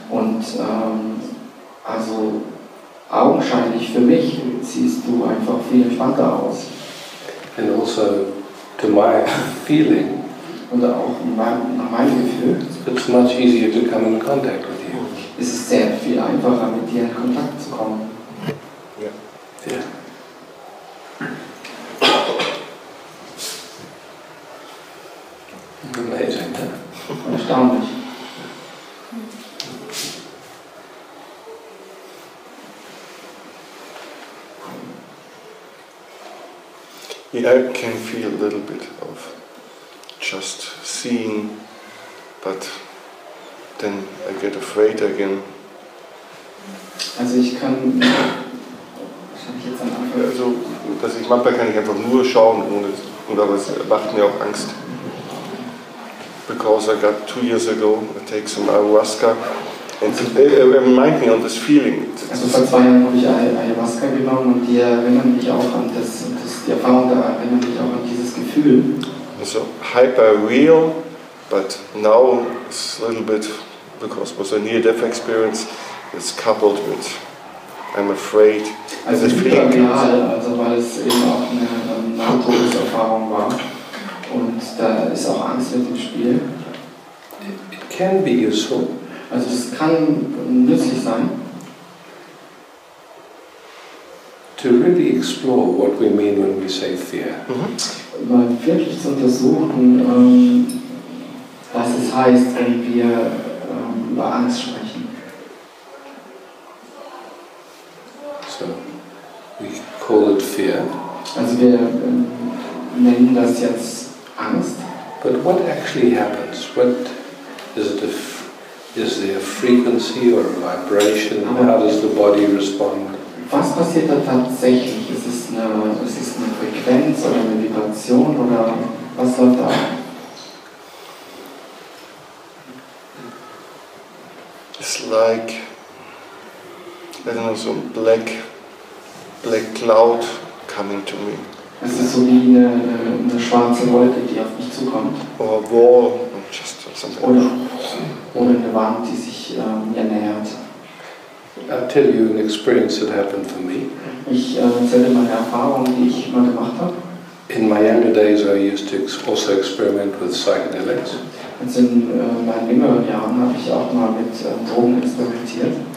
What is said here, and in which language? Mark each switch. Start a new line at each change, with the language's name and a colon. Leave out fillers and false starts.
German: Und also augenscheinlich für mich siehst du einfach viel entspannter aus.
English: And also to my feeling.
German: Und auch nach meinem Gefühl,
English: it's much easier to come in contact with you.
German: Ist es sehr viel einfacher, mit dir in Kontakt zu kommen.
English: Ja. Yeah. Yeah. Amazing,
German: huh? Erstaunlich.
English: Yeah, I can feel a little bit of just seeing, but then I get afraid again.
German: Also ich kann, dass ich manchmal kann ich einfach nur schauen ohne, und aber es macht mir auch Angst.
English: Because I got 2 years ago, I take some ayahuasca Reminds me of this feeling.
German: Also vor 2 Jahren habe ich Ayahuasca genommen und die erinnert mich auch an das, die Erfahrung da erinnert mich auch an dieses Gefühl.
English: So hyper real, but now it's a little bit, because it was a near-death experience, it's coupled with I'm afraid.
German: Also hyperreal, also weil es eben auch eine Nahtodeserfahrung war und da ist auch Angst mit im Spiel.
English: It can be useful.
German: Also es kann nützlich sein.
English: To really explore what we mean when we say fear.
German: Mal wirklich zu untersuchen, was es heißt, wenn wir über Angst sprechen.
English: So, we call it fear.
German: Also wir nennen das jetzt Angst.
English: But what actually happens? What is it? Is there a frequency or a vibration?
German: Aber
English: how does the body respond?
German: Was passiert da tatsächlich? Ist es eine Frequenz oder eine Vibration oder was läuft da?
English: It's like, I don't know, so a black cloud coming to me.
German: Es ist so wie eine schwarze Wolke, die auf mich zukommt.
English: Or a wall, or just something.
German: Oder eine Wand, die sich mir nähert.
English: I'll tell you an experience that happened for me.
German: Ich erzähle dir meine Erfahrung, die ich mal gemacht habe.
English: In my younger days, I used to also experiment with psychedelics.
German: Also in meinen jüngeren Jahren habe ich auch mal mit Drogen experimentiert.